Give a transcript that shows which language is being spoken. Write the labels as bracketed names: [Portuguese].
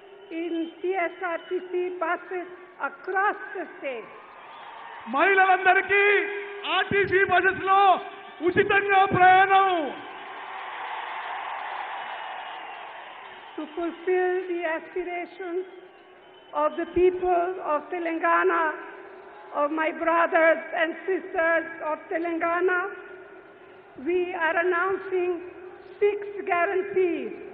[English] in TSRCC buses across the state. [Telugu] మహిళలందరికి RTC buses లో ఉచితంగా ప్రయాణం. [English] To fulfill the aspirations of the people of Telangana, of my brothers and sisters of Telangana, we are announcing 6 guarantees.